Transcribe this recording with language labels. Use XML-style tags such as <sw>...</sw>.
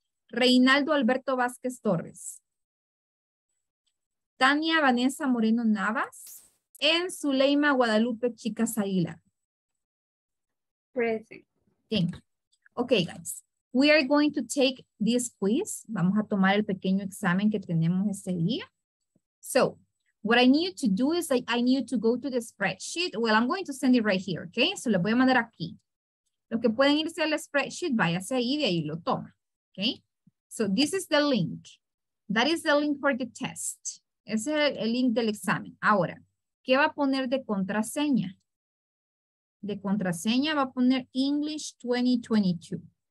<es>Reinaldo Alberto Vázquez Torres. Tania Vanessa Moreno Navas. En Zuleima Guadalupe Chicas Aguilar.</es> <en>Present. Thank you. Ok, guys. We are going to take this quiz.</en> <es>Vamos a tomar el pequeño examen que tenemos este día.</es> <en>So, what I need to do is I need to go to the spreadsheet. Well, I'm going to send it right here, okay?</en> <es>So, lo voy a mandar aquí. Lo que pueden irse al spreadsheet, váyase ahí y ahí lo toma, okay?</es> <en>So, this is the link. That is the link for the test.</en> <es>Ese es el link del examen. Ahora, ¿qué va a poner de contraseña? De contraseña va a poner English 2022.</es>